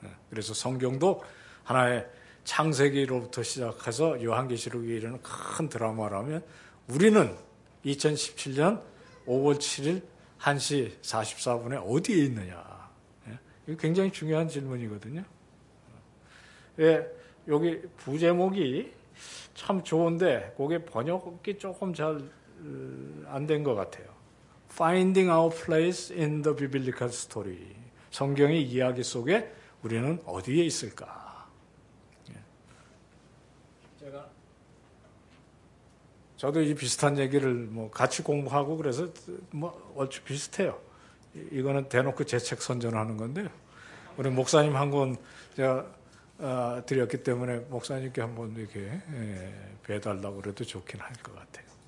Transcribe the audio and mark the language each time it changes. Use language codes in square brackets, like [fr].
[ko] 그래서 성경도 하나의 창세기로부터 시작해서 요한계시록에 이르는 큰 드라마라면 우리는 2017년 5월 7일 1시 44분에 어디에 있느냐. 이거 굉장히 중요한 질문이거든요. 왜 여기 부제목이 참 좋은데 거기에 번역이 조금 잘 안 된 것 같아요. [en] Finding our place in the biblical story. [ko] 성경의 이야기 속에 우리는 어디에 있을까? 제가 저도 이 비슷한 얘기를 뭐 같이 공부하고 그래서 뭐 얼추 비슷해요. 이거는 대놓고 제 책 선전하는 건데 우리 목사님 한 권 제가 드렸기 때문에 목사님께 한번 이렇게 배달라고 그래도 좋긴 할 것 같아요.